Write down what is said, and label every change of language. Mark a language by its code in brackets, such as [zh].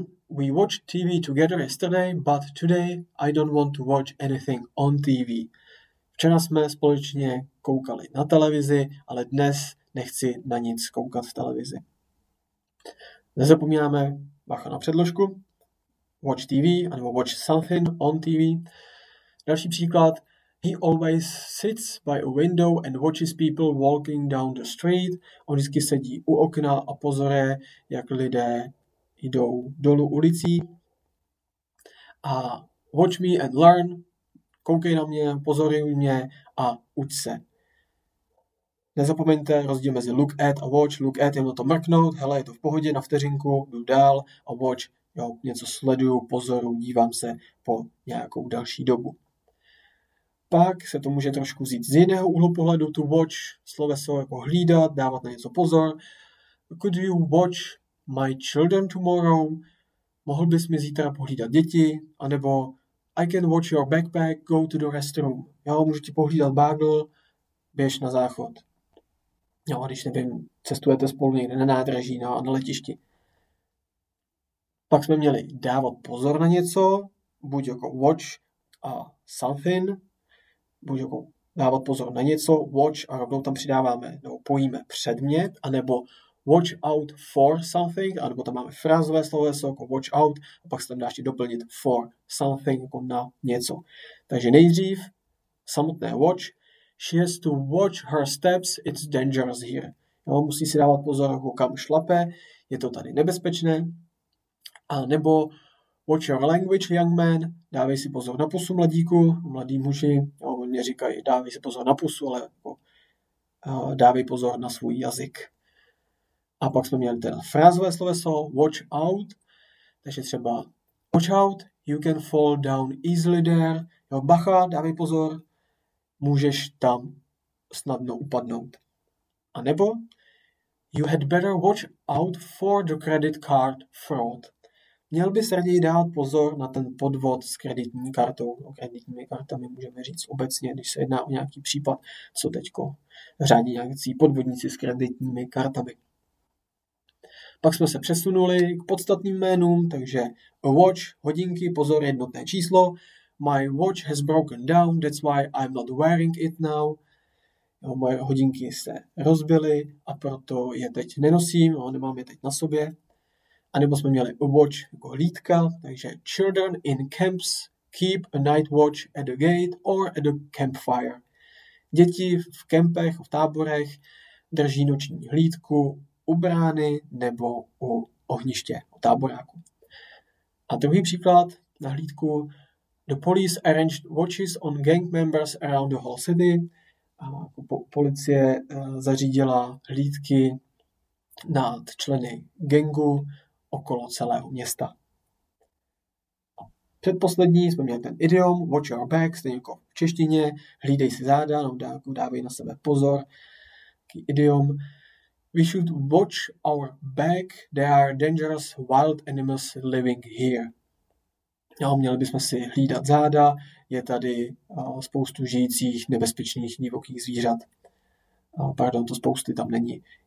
[en] We watched TV together yesterday, but today I don't want to watch anything on TV. [cs] Včera jsme společně koukali na televizi, ale dnes nechci na nic koukat v televizi. Nezapomínáme, bacha na předložku. [en] Watch TV, [cs] anebo [en] watch something on TV. [cs] Další příklad. [en] He always sits by a window and watches people walking down the street. [cs] On vždycky sedí u okna a pozoruje, jak lidé jdou dolů ulicí. [en] A watch me and learn. [cs] Koukej na mě, pozoruj mě a uč se. Nezapomeňte rozdíl mezi look at a watch. Look at je na to mrknout. Hele, je to v pohodě, na vteřinku, jdu dál. A watch, jo, něco sleduju, pozoru, dívám se po nějakou další dobu. Pak se to může trošku vzít z jiného úhlu pohledu, tu watch, sloveso jako hlídat, dávat na něco pozor. [en] Could you watch my children tomorrow? [cs] Mohl bys mi zítra pohlídat děti? A nebo [en] I can watch your backpack, go to the restroom. [cs] Jo, můžu ti pohlídat bagel, běž na záchod. Jo, když nevím, cestujete spolu někde na nádraží, no, na letišti. Pak jsme měli dávat pozor na něco, buď jako watch a something, buď jako dávat pozor na něco, watch a rovnou tam přidáváme, nebo pojíme předmět, anebo [en] watch out for something, [cs] anebo tam máme frázové sloveso jako watch out, a pak se tam dá ještě doplnit for something, jako na něco. Takže nejdřív samotné watch. [en] She has to watch her steps, it's dangerous here. [cs] Jo, musí si dávat pozor, jako kam šlape, je to tady nebezpečné. A nebo [en] watch your language, young man. [cs] Dávej si pozor na pusu, mladíku, mladý muži. Jo, mě říkají, dávej si pozor na pusu, ale jako, dávej pozor na svůj jazyk. A pak jsme měli teda frázové sloveso, [en] watch out. [cs] Takže třeba [en] watch out, you can fall down easily there. [cs] Jo, bacha, dávej pozor, můžeš tam snadno upadnout. A nebo [en] you had better watch out for the credit card fraud. [cs] Měl bys raději dát pozor na ten podvod s kreditní kartou. O kreditními kartami můžeme říct obecně, když se jedná o nějaký případ, co teďko řádí nějaký podvodníci s kreditními kartami. Pak jsme se přesunuli k podstatným jménům, takže a watch, hodinky, pozor, jednotné číslo. [en] My watch has broken down, that's why I'm not wearing it now. [cs] moje hodinky se rozbily a proto je teď nenosím, nemám je teď na sobě. A nebo jsme měli a watch jako hlídka, takže [en] children in camps keep a night watch at the gate or at the campfire. [cs] Děti v kempech, v táborech drží noční hlídku u brány nebo u ohniště, u táboráku. A druhý příklad na hlídku. [en] The police arranged watches on gang members around the whole city. [cs] Policie zařídila hlídky nad členy gangu okolo celého města. Předposlední jsme měli ten idiom [en] watch your back, [cs] stejně jako v češtině, hlídej si záda, dávej na sebe pozor. Taký idiom. [en] We should watch our back, there are dangerous wild animals living here. [cs] No, měli bychom si hlídat záda, je tady spoustu žijících nebezpečných divokých zvířat. Pardon, to spousty tam není.